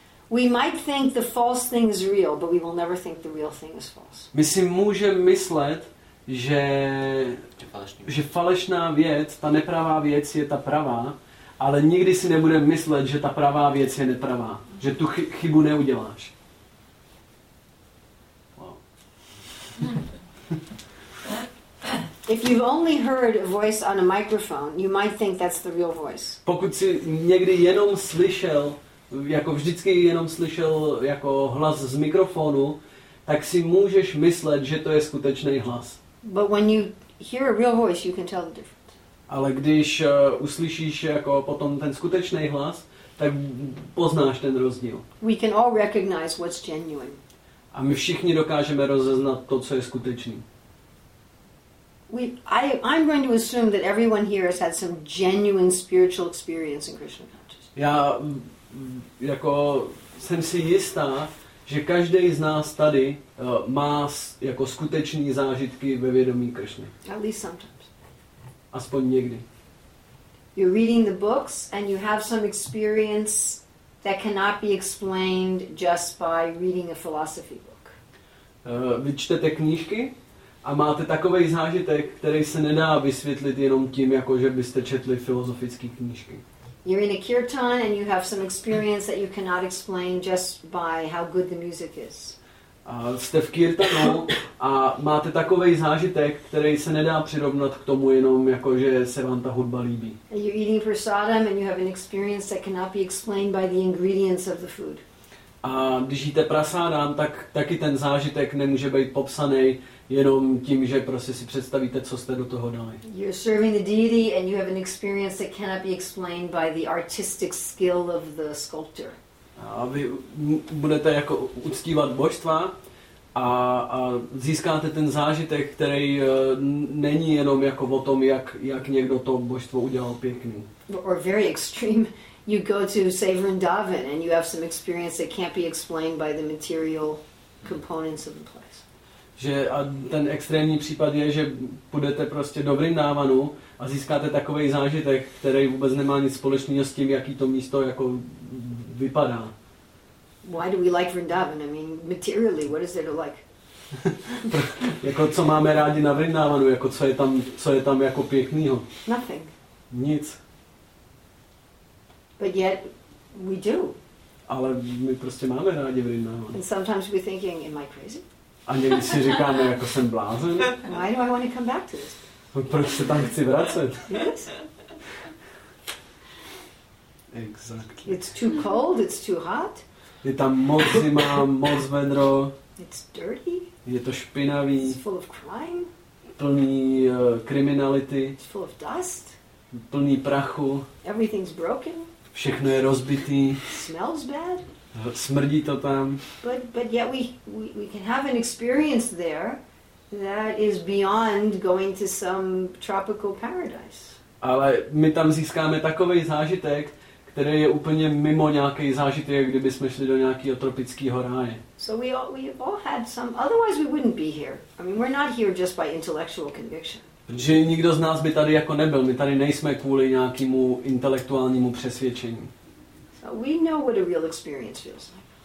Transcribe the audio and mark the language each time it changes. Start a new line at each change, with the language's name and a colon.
English: We might think the false thing is real, but we will never think the real thing is false.
Czech: My si můžeme myslet, že falešná věc, ta nepravá věc je ta pravá, ale nikdy si nebudeme myslet, že ta pravá věc je nepravá, že tu chybu neuděláš.
English: If you've only heard a voice on a microphone, you might think that's the real voice.
Czech: Pokud si někdy jenom slyšel, jako vždycky jenom slyšel jako hlas z mikrofonu, tak si můžeš myslet, že to je skutečný hlas.
English: But when you hear a real voice, you can tell the difference.
Czech: Ale když uslyšíš jako potom ten skutečný hlas, tak poznáš ten rozdíl.
English: We can all recognize what's genuine.
Czech: A my všichni dokážeme rozeznat to, co je skutečný.
English: I'm going to assume that everyone here has had some genuine spiritual experience in Krishna consciousness.
Czech: Já jako jsem si jistá, že každý z nás tady má jako skutečný zážitky ve vědomí Krishny.
English: At least sometimes.
Czech: Aspoň někdy.
English: You're reading the books and you have some experience that cannot be explained just by reading a philosophy book.
Czech: Vy čtete knížky a máte takovej zážitek, který se nedá vysvětlit jenom tím, jako že byste četli filozofické knížky.
English: You're in a kirtan and you have some experience that you cannot explain just by how good the music is.
Czech: Jste v kirtanu a máte takovej zážitek, který se nedá přirovnat k tomu jenom jako že se vám ta hudba líbí.
English: You're eating prasadam and you have an experience that cannot be explained by the ingredients of the food.
Czech: A když jíte prasádám, tak taky ten zážitek nemůže být popsaný jenom tím, že prostě si představíte, co jste do toho dali.
English: You're serving the deity and you have an experience that cannot be explained by the artistic skill of the sculptor.
Czech: A vy budete jako uctívat božstva a získáte ten zážitek, který není jenom jako o tom, jak někdo to božstvo udělal pěkný.
English: Or very extreme. You go to say Vrindavan and you have some experience that can't be explained by the material components of the place.
Czech: Že a ten extrémní případ je, že půjdete prostě do Vrindavanu a získáte takovej zážitek, který vůbec nemá nic společného s tím, jaký to místo jako vypadá.
English: Why do we like Vrindavan? I mean, materially, what is there to like?
Czech: Jako co máme rádi na Vrindavanu, jako co je tam jako pěknýho?
English: Nothing.
Czech: Nic.
English: But yet we do.
Czech: Ale my prostě máme rádi Vrindavan.
English: And sometimes we're thinking, am I crazy?
Czech: A někdy si říkáme, jako jsem blázen.
English: Why do I want to come back to this?
Czech: Proč se tam chci vracet?
English: Yes. Exactly. It's too cold, it's too hot.
Czech: Je tam moc zima, moc vedro.
English: It's dirty.
Czech: Je to špinavý.
English: It's full of crime.
Czech: Plný kriminality.
English: It's full of dust.
Czech: Plný prachu.
English: Everything's broken.
Czech: Všechno je rozbitý.
English: It smells bad.
Czech: Smrdí to tam.
English: But yet we can have an experience there that is beyond going to some tropical paradise.
Czech: Ale my tam získáme takovej zážitek, který je úplně mimo nějaký zážitek, kdyby jsme šli do nějakého tropického ráje.
English: So we all had some, otherwise we wouldn't be here. I mean, we're not here just by intellectual conviction.
Czech: Protože nikdo z nás by tady jako nebyl. My tady nejsme kvůli nějakému intelektuálnímu přesvědčení.
English: So we know what a real experience feels like.